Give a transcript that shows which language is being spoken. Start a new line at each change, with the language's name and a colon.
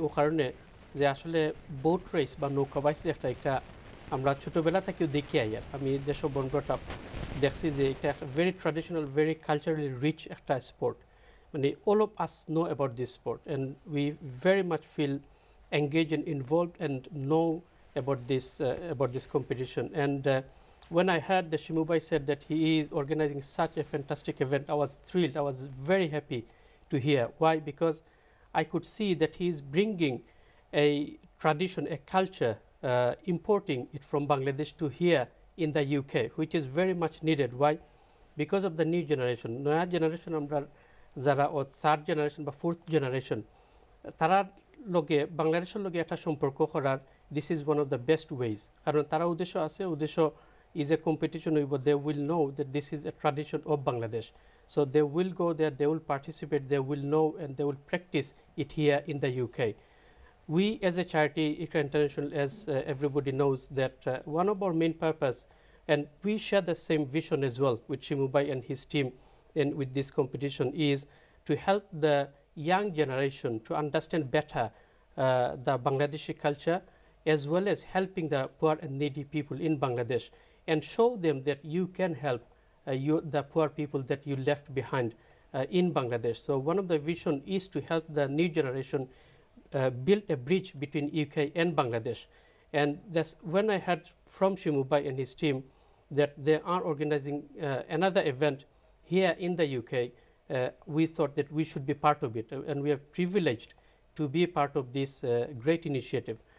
Bangla: ও কারণে যে আসলে বোট রেস বা নৌকা বাইস একটা একটা আমরা ছোটোবেলা থেকেও দেখি আইয়ার, আমি দেশ বনগ্রটা দেখছি যে এটা একটা
English: Very traditional, very culturally rich একটা sport, মানে all of us know about this sport and we very much feel engaged and involved and know about this competition. And when I heard that Shimu Bhai said that he is organizing such a fantastic event, I was thrilled. I was very happy to hear. Why? Because I could see that he is bringing a tradition, a culture, importing it from Bangladesh to here in the UK, which is very much needed. Why? Because of the new generation.
Bangla: Noya generation amra jara, or third generation ba fourth generation, tarar লগে বাংলাদেশের লগে একটা সম্পর্ক করার
English: this is one of the best ways,
Bangla: কারণ তারা উদ্দেশ্য আছে, উদ্দেশ্য
English: Is a competition হইব, they will know that this is a tradition of Bangladesh, so they will go there, they will participate, they will know and they will practice it here in the UK. We as a charity Iqra international, as everybody knows that one of our main purpose and we share the same vision as well with Shimu Bhai and his team and with this competition is to help the young generation to understand better the Bangladeshi culture as well as helping the poor and needy people in Bangladesh and show them that you can help the poor people that you left behind in Bangladesh. So one of the vision is to help the new generation build a bridge between UK and Bangladesh. And that's when I heard from Shimu Bhai and his team that they are organizing another event here in the UK. We thought that we should be part of it and we are privileged to be a part of this great initiative.